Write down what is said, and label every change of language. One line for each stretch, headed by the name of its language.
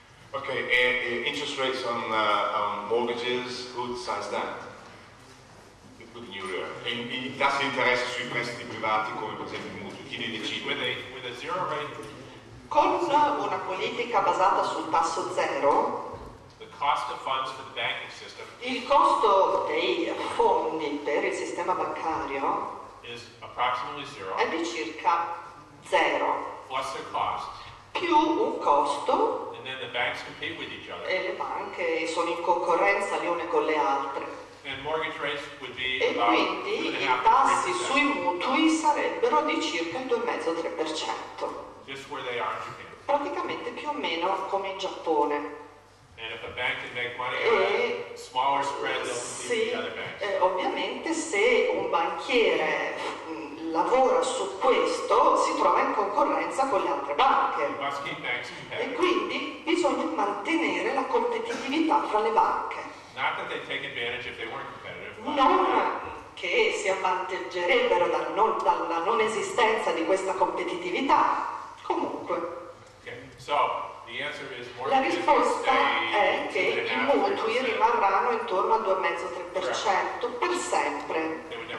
English: Ok, e interest rates on mortgages, who decides that? Including euro.
Italian: I tassi di interesse sui prestiti privati, come per esempio i mutui, chi li decide?
English: With a zero rate?
Italian: Con una politica basata sul tasso zero,
English: the cost of funds for the banking system,
Italian: il costo dei fondi per il sistema bancario
English: is approximately zero,
Italian: è di circa zero.
English: Plus the cost.
Italian: Più un costo.
English: And then the banks compete with each other.
Italian: E le banche sono in concorrenza le une con le altre.
English: And mortgage rates would be
Italian: e quindi i tassi sui mutui sarebbero di circa il 2,5-3%.
English: Just where they are in Japan.
Italian: Praticamente più o meno come in Giappone.
English: And if a bank can make money on a smaller spread, they'll compete
Italian: sì,
English: with the other banks.
Italian: Ovviamente se un banchiere lavora su questo, si trova in concorrenza con le altre banche. E quindi bisogna mantenere la competitività fra le banche.
English: Not that they take advantage if they weren't competitive.
Italian: Non che si avvantaggerebbero dalla non esistenza di questa competitività. Comunque.
English: Okay. So, the answer is more
Italian: la risposta è che i mutui rimarranno intorno al 2,5-3% per sempre.